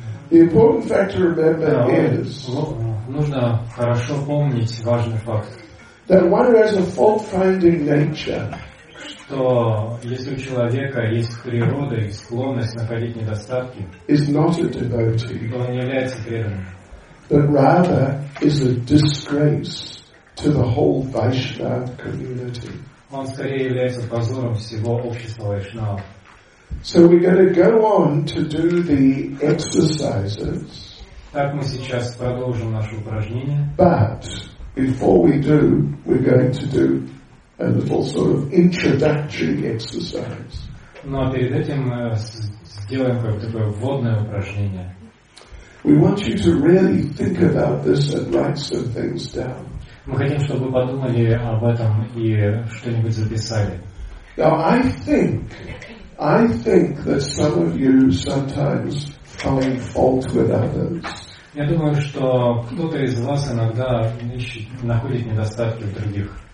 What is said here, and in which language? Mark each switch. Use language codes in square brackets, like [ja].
[en] The important fact to remember is. [ru] Нужно хорошо помнить важный факт. [en] That one has a fault-finding nature. [ru] Что если у человека есть природа и склонность находить недостатки, [en] is not a devotee, [ru] то он не является преданным. [en] But rather is a disgrace to the whole Vaishnav community. [ru] Он скорее является позором всего общества Вайшнава. [en] So we're going to go on to do the exercises. [ru] Так мы сейчас продолжим наше упражнение. [en] But before we do, we're going to do a little sort of introductory exercise. [ru] Но перед этим мы сделаем какое-то такое вводное упражнение. [en] We want you to really think about this and write some things down. [ru] Мы хотим, чтобы вы подумали об этом и что-нибудь записали. [en] Now I think that some of you sometimes find fault with others. [ru] Я думаю, что кто-то из вас иногда ищет, находит недостатки в других.